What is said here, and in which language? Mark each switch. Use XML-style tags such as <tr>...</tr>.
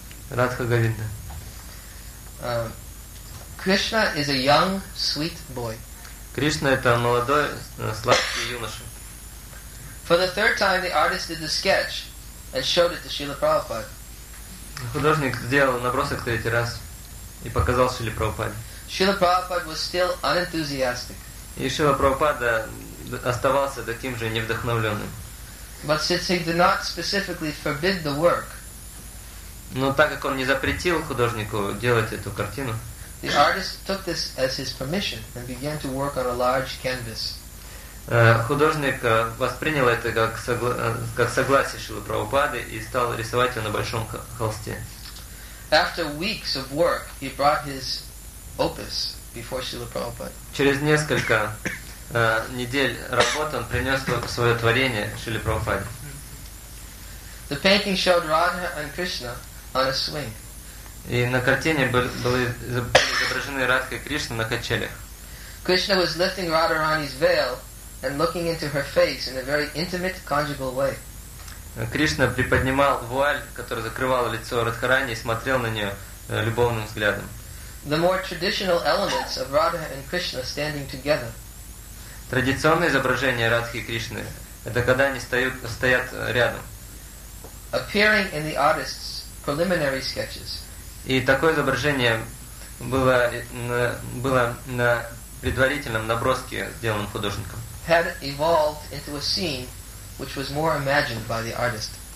<ru>Радха Говинда.</ru> <en>Кришна is a young, sweet boy.</en> <ru>Кришна – это молодой, сладкий юноша.</ru> <en>For the third time, the artist did the sketch and showed it to Srila Prabhupada.</en> <ru>Художник сделал набросок третий раз и показал Шриле Прабхупаде.</ru> <en>Srila Prabhupada was still unenthusiastic.</en> <ru>И Шрила Прабхупада оставался таким же невдохновленным.</ru> <en>But since he did not specifically forbid the work,</en> <ru>но так как он не запретил художнику делать эту картину,</ru> <en>the artist took this as his permission and began to work on a large canvas.</en> <ru>Художник воспринял это как согласие Шрилы Прабхупады и стал рисовать его на большом холсте.</ru> <en>After weeks of work, he brought his opus before Srila Prabhupada.</en> <ru>Через несколько недель работы он принес свое творение Шриле Прабхупаде.</ru> <en>The painting showed Radha and Krishna on a swing.</en> <ru>И на картине были изображены Радха и Кришна на качелях.</ru> <en>Krishna was lifting Radharani's veil and looking into her face in a very intimate conjugal way.</en> <ru>Кришна приподнимал вуаль, которая закрывала лицо Радхарани, и смотрел на нее любовным взглядом.</ru> <en>The more traditional elements of Radha and Krishna standing together.</en> <ru>Традиционное изображение Радхи и Кришны – это когда они стоят рядом.</ru> <en>Appearing in the artist's preliminary sketches.</en> <ru>И такое изображение было на предварительном наброске, сделанном художником.</ru> <en>Had evolved into a scene which was more imagined by the artist.</en>